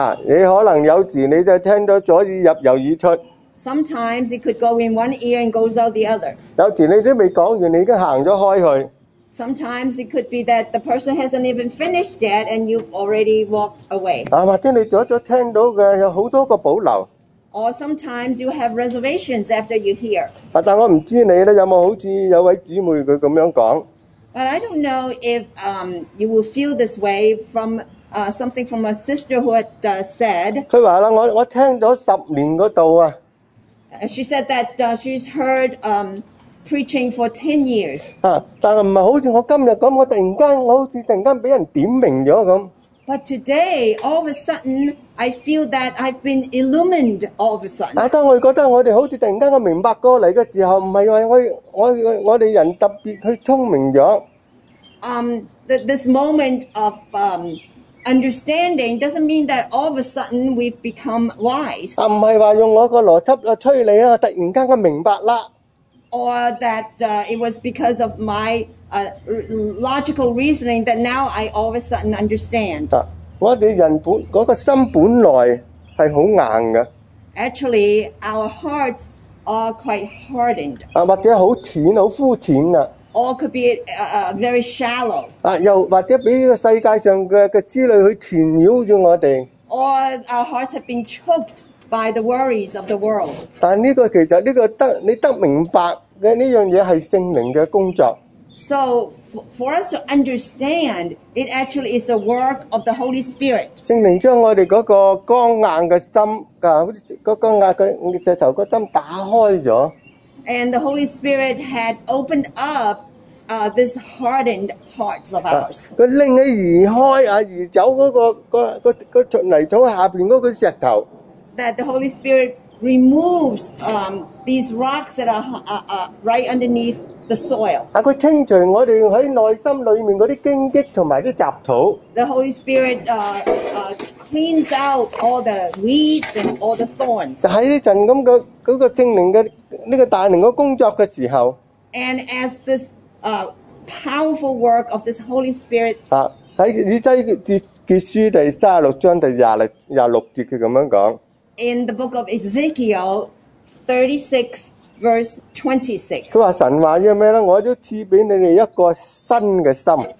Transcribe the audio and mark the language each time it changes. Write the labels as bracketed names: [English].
[Cantonese] 你可能有时你就听到左耳入右耳出。 [English] Sometimes it could go in one ear and goes out the other. [Cantonese] 有时你都未讲完，你已经行咗开去。 [English] Sometimes it could be that the person hasn't even finished yet and you've already walked away. [Cantonese] 或者你左左听到嘅有好多个保留。 [English] Or sometimes you have reservations after you hear. [Cantonese] 但我唔知你咧有冇好似有位姊妹佢咁样讲。 [English] But I don't know if you will feel this way from something from a sister who had said. [Cantonese] 佢话啦，我听咗十年嗰度啊。 [English] She said that she's heard preaching for 10 years. [Cantonese] 但系唔系好似我今日咁，我突然间俾人点名咗咁。 [English] But today, all of a sudden, I feel that I've been illumined all of a sudden. [Cantonese] 当我觉得我哋好似突然间我明白过嚟嘅时候，唔系话我哋人特别去聪明咗。 [English] This moment of understanding doesn't mean that all of a sudden we've become wise. [Cantonese] 唔系话用我个逻辑去推理啦，突然间我明白啦。 [English] Or that it was because of my logical reasoning that now I all of a sudden understand. [Cantonese] 我哋人本嗰个心本来系好硬嘅。 [English] Actually, our hearts are quite hardened. [Cantonese] 或者好浅，好肤浅啊。 [English] Or could be very shallow. [Cantonese] 又或者俾个世界上嘅之类去缠绕住我哋。 [English] Or our hearts have been choked by the worries of the world. [Cantonese] 但呢个其实呢个得你得明白嘅呢样嘢系圣灵嘅工作。 [English] So for us to understand, it actually is a work of the Holy Spirit. [Cantonese] 圣灵将我哋嗰个刚硬嘅心，嗰个石头嘅心打开咗。 [English] And the Holy Spirit had opened up this hardened hearts of ours. [Cantonese] 佢令佢移开而走嗰个泥土下边嗰个石头。 [English] That the Holy Spirit removes these rocks that are right underneath the soil. [Cantonese] 佢清除我哋喺内心里面嗰啲荆棘同埋啲杂草。 [English] The Holy Spirit cleans out all the weeds and all the thorns. [Cantonese] 喺呢阵咁嘅嗰个圣灵嘅呢个大能嘅工作嘅时候。 [English] And as this powerful work of this Holy Spirit. [Cantonese] 喺以西结书第36章第26节佢咁样讲。 [English] In the book of Ezekiel 36 verse 26. [Cantonese] 神话要咩咧？我都赐俾你哋一个新嘅心。